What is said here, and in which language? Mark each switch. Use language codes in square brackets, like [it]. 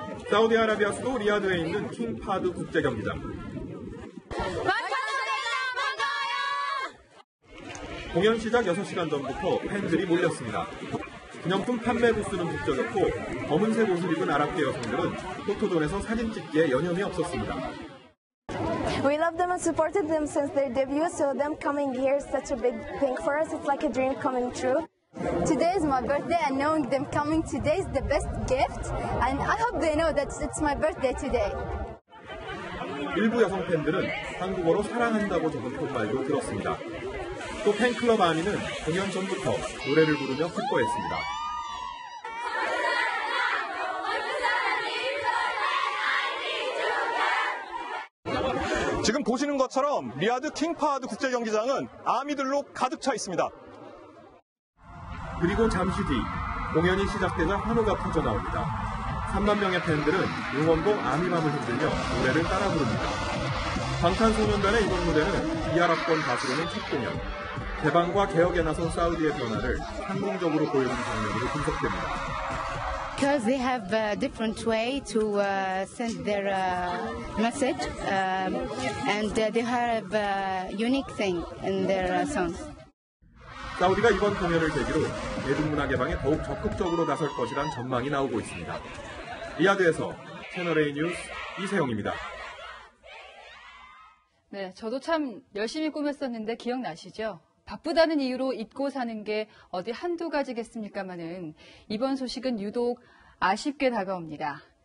[ko] 사우디아라비아 수도 리야드에 있는 킹파드 국제경기장. 공연 시작 6시간 전부터 팬들이 몰렸습니다. 기념품 판매 부스는 북적였고 검은색 옷을 입은 아랍계 여성들은 포토존에서 사진 찍기에 여념이 없었습니다. [en] We love them and supported them since their debut, so them coming here is such a big thing for us. It's like a dream coming true. Today is my birthday and knowing them coming today is the best gift. And I hope they know that it's my birthday today. [ko] 일부 여성 팬들은 한국어로 사랑한다고 적은 폭발도 들었습니다. 또 팬클럽 아미는 공연 전부터 노래를 부르며 흩뻐했습니다. 지금 보시는 것처럼 리야드 킹파하드 국제경기장은 아미들로 가득 차 있습니다. 그리고 잠시 뒤 공연이 시작되자 환호가 퍼져나옵니다. 3만 명의 팬들은 응원곡 아미만을 흔들며 노래를 따라 부릅니다. 방탄소년단의 이번 무대는 비아랍권 가수로는 첫 공연. 개방과 개혁에 나선 사우디의 변화를 성공적으로 보여준 장면으로 분석됩니다. [en] Because they have a different way to send their message and they have a unique thing in their songs. [ko] 사우디가 이번 공연을 계기로 대중문화 개방에 더욱 적극적으로 나설 것이란 전망이 나오고 있습니다. 리야드에서 채널A 뉴스 이세영입니다. 네, 저도 참 열심히 꾸몄었는데 기억나시죠? 바쁘다는 이유로 잊고 사는 게 어디 한두 가지겠습니까만은 이번 소식은 유독 아쉽게 다가옵니다.